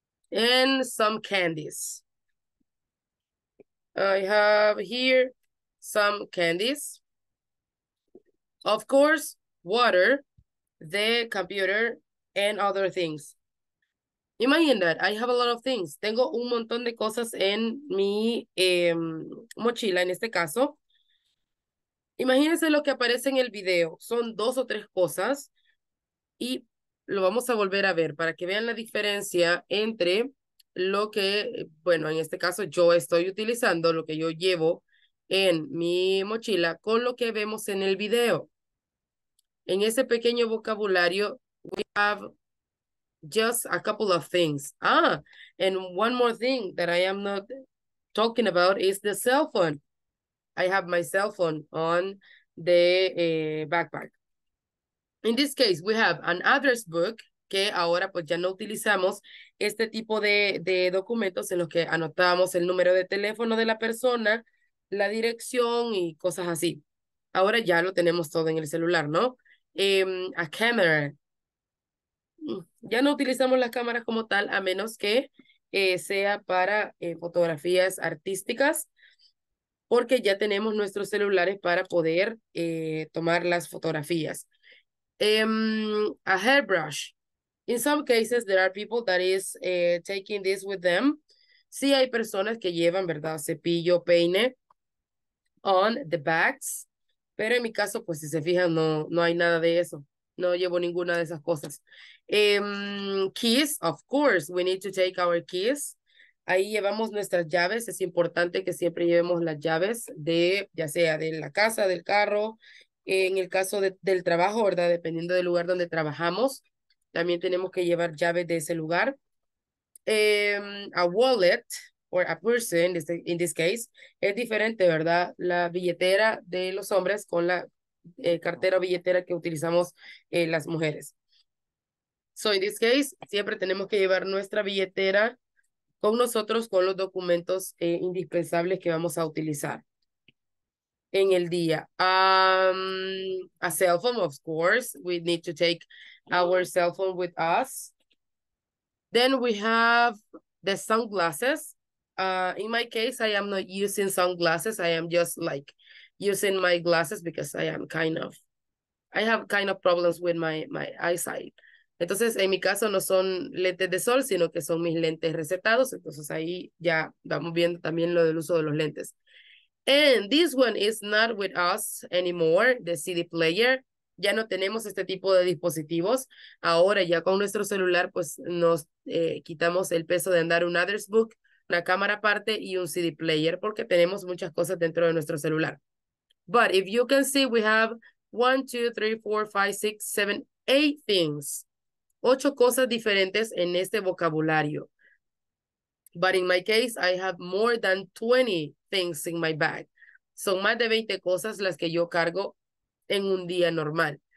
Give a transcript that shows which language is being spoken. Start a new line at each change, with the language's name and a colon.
English: And some candies. I have here some candies. Of course, water, the computer, and other things. Imagine that I have a lot of things.
Spanish: Tengo un montón de cosas en mi mochila, en este caso. Imagínense lo que aparece en el video. Son dos o tres cosas. Y lo vamos a volver a ver para que vean la diferencia entre lo que, bueno, en este caso yo estoy utilizando, lo que yo llevo en mi mochila, con lo que vemos en el video. En ese pequeño vocabulario,
English: we have just a couple of things. Ah, and one more thing that I am not talking about is the cell phone. I have my cell phone on the backpack. In this case, we have an address book,
Spanish: que ahora pues ya no utilizamos este tipo de documentos en los que anotamos el número de teléfono de la persona, la dirección y cosas así. Ahora ya lo tenemos todo en el celular, ¿no?
English: A camera.
Spanish: Ya no utilizamos las cámaras como tal, a menos que sea para fotografías artísticas, porque ya tenemos nuestros celulares para poder tomar las fotografías.
English: A hairbrush. In some cases, there are people that is taking this with them.
Spanish: Sí, hay personas que llevan, ¿verdad? Cepillo, peine,
English: on the bags.
Spanish: Pero en mi caso, pues si se fijan, no hay nada de eso. No llevo ninguna de esas cosas.
English: Keys, of course, we need to take our keys.
Spanish: Ahí llevamos nuestras llaves. Es importante que siempre llevemos las llaves de, ya sea de la casa, del carro, en el caso del trabajo, ¿verdad? Dependiendo del lugar donde trabajamos, también tenemos que llevar llaves de ese lugar.
English: A wallet, or a person, in this case,
Spanish: es diferente, ¿verdad? La billetera de los hombres con la cartera o billetera que utilizamos las mujeres.
English: So, in this case,
Spanish: siempre tenemos que llevar nuestra billetera con nosotros, con los documentos indispensables que vamos a utilizar en el día.
English: A cell phone, of course. We need to take our cell phone with us. Then we have the sunglasses. In my case, I am not using sunglasses. I am just like using my glasses because I have kind of problems with my eyesight.
Spanish: Entonces, en mi caso no son lentes de sol, sino que son mis lentes recetados. Entonces, ahí ya vamos viendo también lo del uso de los lentes.
English: And this one is not with us anymore, the CD player.
Spanish: Ya no tenemos este tipo de dispositivos. Ahora ya con nuestro celular, pues nos quitamos el peso de andar un address book, una cámara aparte y un CD player, porque tenemos muchas cosas dentro de nuestro celular.
English: But if you can see, we have 1, 2, 3, 4, 5, 6, 7, 8 things.
Spanish: 8 cosas diferentes en este vocabulario.
English: But in my case, I have more than 20 things in my bag.
Spanish: Son más de 20 cosas las que yo cargo en un día normal.